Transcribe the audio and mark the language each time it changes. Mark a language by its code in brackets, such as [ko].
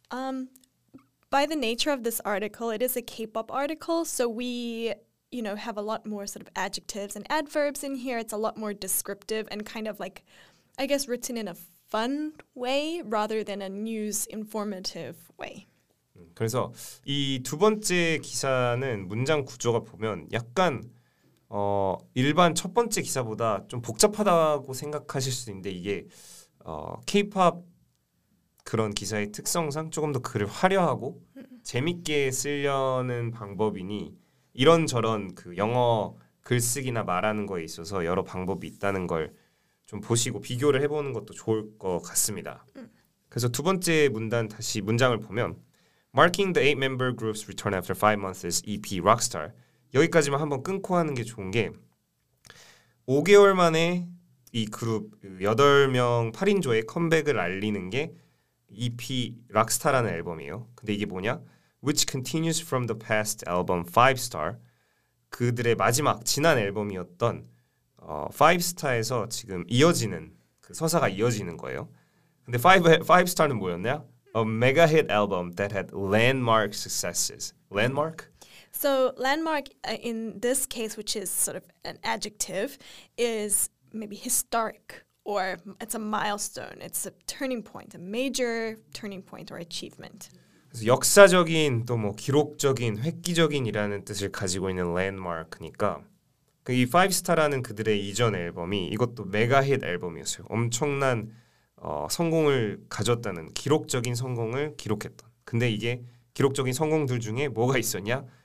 [en] By the nature of this article, it is a K-pop article, so we, you know, have a lot more sort of adjectives and adverbs in here. It's a lot more descriptive and kind of like, I guess, written in a fun way rather than a news informative way. [ko] 그래서 이 두 번째 기사는 문장 구조가 보면 약간 일반 첫 번째 기사보다 좀 복잡하다고 생각하실 수 있는데 이게 K-pop 그런 기사의 특성상 조금 더 글을 화려하고 재밌게 쓰려는 방법이니 이런저런 그 영어 글쓰기나 말하는 거에 있어서 여러 방법이 있다는 걸 좀 보시고 비교를 해보는 것도 좋을 것 같습니다. 그래서 두 번째 문단 다시 문장을 보면 [en] Marking the 8-member group's return after 5 months is EP Rockstar. [ko] 여기까지만 한번 끊고 하는 게 좋은 게 5개월 만에 이 그룹 8명 8인조의 컴백을 알리는 게 EP 락스타라는 앨범이에요. 근데 이게 뭐냐? [en] Which continues from the past album 5-star. [ko] 그들의 마지막 지난 앨범이었던 5-star에서 지금 이어지는 그 서사가 이어지는 거예요. 근데 5-star는 뭐였냐? [en] A mega hit album that had landmark successes. Landmark? So landmark in this case, which is sort of an adjective, is maybe historic. Or it's a milestone. It's a turning point, a major turning point or achievement. [ko] 그래서 역사적인 또 뭐 기록적인 획기적인이라는 뜻을 가지고 있는 landmark니까 그 이 5-star라는 그들의 이전 앨범이 이것도 메가 힛 앨범이었어요. 엄청난 성공을 가졌다는 기록적인 성공을 기록했던. 근데 이게 기록적인 성공들 중에 뭐가 있었냐?